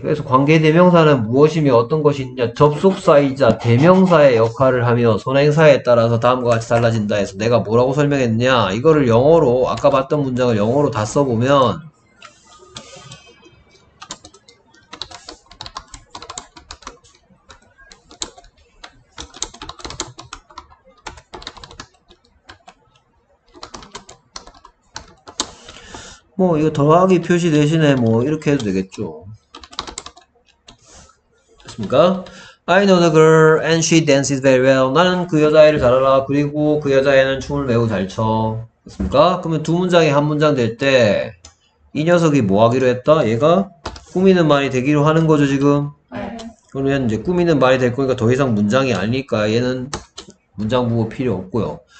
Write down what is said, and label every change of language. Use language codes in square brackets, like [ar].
[ko] 그래서 관계대명사는 무엇이며 어떤 것이냐, 접속사이자 대명사의 역할을 하며 선행사에 따라서 다음과 같이 달라진다 해서 내가 뭐라고 설명했냐, 이거를 영어로, 아까 봤던 문장을 영어로 다 써보면, 뭐 이거 더하기 표시 대신에 뭐 이렇게 해도 되겠죠. 됐습니까? [en] I know the girl and she dances very well. [ko] 나는 그 여자애를 잘 알아. 그리고 그 여자애는 춤을 매우 잘 춰. 됐습니까? 그러면 두 문장이 한 문장 될 때 이 녀석이 뭐 하기로 했다? 얘가 꾸미는 말이 되기로 하는 거죠 지금? 네. 그러면 이제 꾸미는 말이 될 거니까 더 이상 문장이 아니니까 얘는 문장 부호 필요 없고요.